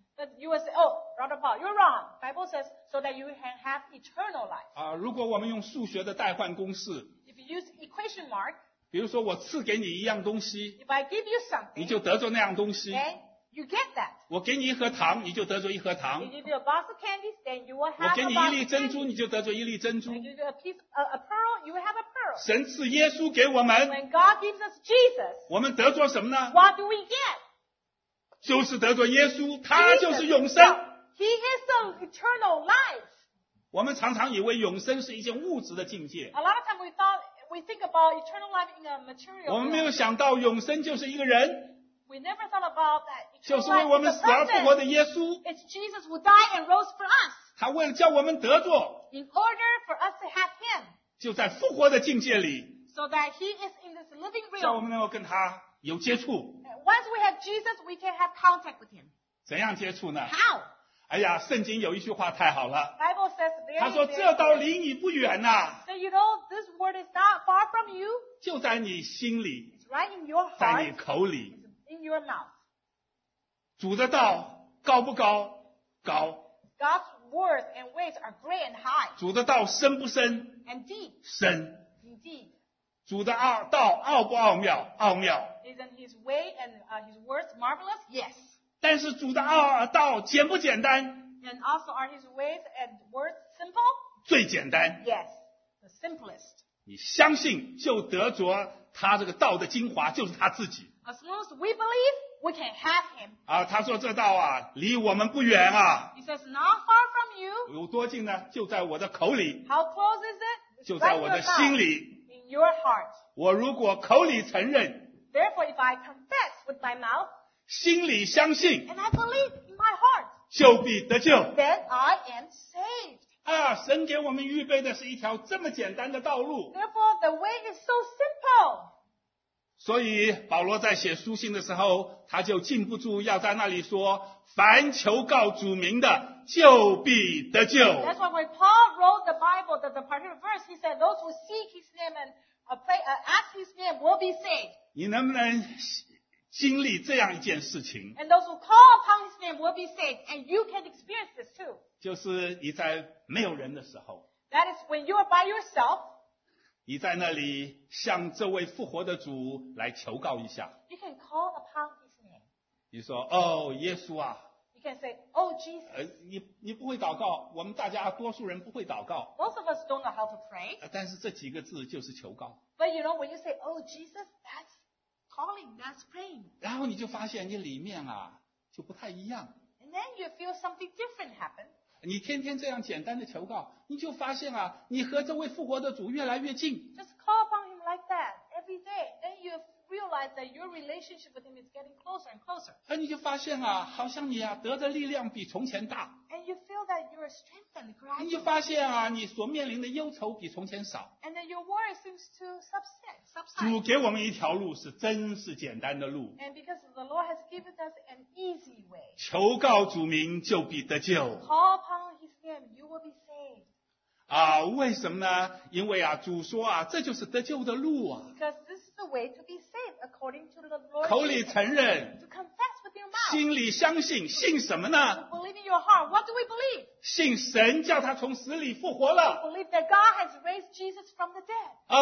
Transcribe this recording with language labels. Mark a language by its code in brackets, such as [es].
[en] But you will say, oh, Brother Paul, you're wrong. Bible says so that you can have eternal life.、 [zh] 啊、如果我们用数学的代换公式 [en] If you use equation mark, [zh] 比如说我赐给你一样东西 [en] If I give you something, [zh] 你就得着那样东西 [en] then you get that. [zh] 我给你一盒糖你就得着一盒糖 [en] If you give you a box of candies, then you will have [zh] 我给你一粒珍珠你就得着一粒珍珠 [en] If you give you a pearl, you will have a pearl. [zh] 神赐耶稣给我们 [en] When God gives us Jesus, [zh] 我们得着什么呢 [en] What do we get? [zh] 就是得着耶稣他 [en] Jesus, [zh] 就是永生 [en] He is the eternal life. [zh] 我们常常以为永生是一件物质的境界 [en] A lot of times we thought,We think about eternal life in a material world. [zh] 我们没有想到永生就是一个人 [en] We never thought about that eternal life [zh] 就是为我们死而复活的耶稣 [en] It's Jesus who died and rose for us. [zh] 他为了叫我们得着 [en] In order for us to have him. [zh] 就在复活的境界里 [en] So that he is in this living realm. [zh] 叫我们能够跟他有接触 [en] Once we have Jesus, we can have contact with him. [zh] 怎样接触呢 [en] How? [zh] 哎呀，圣经有一句话太好了。 [en] Bible says there. [zh] 他说这道离你不远呐、啊。 [en] So you know this word is not far from you. [zh] 就在你心里。 [en] It's right in your heart. [zh] 在你口里。 [en] It's in your mouth. [zh] 主的道高不高？高。 [en] God's words and ways are great and high. [zh] 主的道深不深 [en] ？And deep. [zh] 深。 [en] Indeed. [zh] 主的道奥不奥妙？奥妙。 [en] Isn't his way and his words marvelous? Yes. [zh] 但是主的道简不简单 [en] And also, are his ways and words simple? [zh] 最简单。 [en] Yes, the simplest. [zh] 你相信就得着他这个道的精华，就是他自己。 [en] As long as we believe, we can have him. [zh] 啊，他说这道啊，离我们不远啊。 [en] He says not far from you. [zh] 有多近呢？就在我的口里。 [en] How close is it? [zh] 就在我的心里。 [en] In your heart. [zh] 我如果口里承认。 [en] Therefore, if I confess with my mouth. [zh] 心里相信。 [en] And I believe in my heart. [zh] 就必得救。 [en] Then I am saved. [zh] 啊，神给我们预备的是一条这么简单的道路。 [en] Therefore, the way is so simple. [zh] 所以保罗在写书信的时候，他就禁不住要在那里说，凡求告主名的，就必得救。 [en] That's why when Paul wrote the Bible, the particular verse, he said, those who seek his name and ask his name will be saved. [zh] 你能不能经历这样一件事情？ [en] And those who call upon his name will be saved, and you can experience this too. [zh] 就是你在没有人的时候， [en] That is when you are by yourself, [zh] 你在那里向这位复活的主来求告一下。 [en] You can call upon his name. [zh] 你说，哦，耶稣啊。 [en] You can say, oh, Jesus. [zh] 你不会祷告，我们大家多数人不会祷告。 [en] Most of us don't know how to pray. [zh] 但是这几个字就是求告。 [en] But you know, when you say, oh, Jesus, that's calling, that's praying. [zh] 然后你就发现你里面啊，就不太一样。 [en] And then you feel something different happen. [zh] 你天天这样简单的求告，你就发现啊，你和这位复活的主越来越近。 [en] Just call upon him like that every day, then you realize that your relationship with him is getting closer and closer. [zh] 而你就发现啊，好像你啊得的力量比从前大。 [en] And you feel that you are strengthened gradually. [zh] 你就发现啊，你所面临的忧愁比从前少。 [en] And then your worry seems to subside. [zh] 主给我们一条路是真是简单的路。 [en] And because the Lord has given us an easy way. [zh] 求告主名就必得救。 [en] Call upon his name, you will be saved. [zh] 啊，为什么呢？因为啊，主说啊，这就是得救的路啊。 [en] Because this is the way to be saved according to the Lord. [zh] 口里承认。 [en] To confess. [zh] 心里相信，信什么呢？ [en] Believe in your heart. What do we believe? [zh] 信神叫他从死里复活了。 [en] We believe that God has raised Jesus from the dead.